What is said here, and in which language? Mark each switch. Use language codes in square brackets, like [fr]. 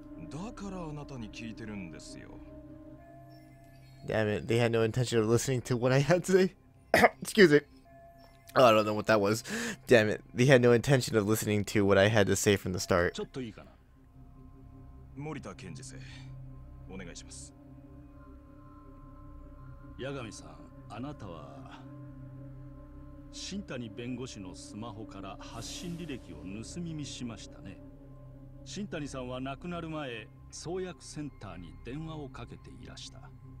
[ja] だからあなたに聞いてるんですよ。 [en] Damn it, they had no intention of listening to what I had to say. Excuse me. Oh, I don't know what that was. Damn it. They had no intention of listening to what I had to say from the start. [ja] ちょっといいかな。森田検事正、お願いします。八神さん、あなたは新谷弁護士のスマホから発信履歴を盗み見しましたね。新谷さんは亡くなる前、創薬センターに電話をかけていらした。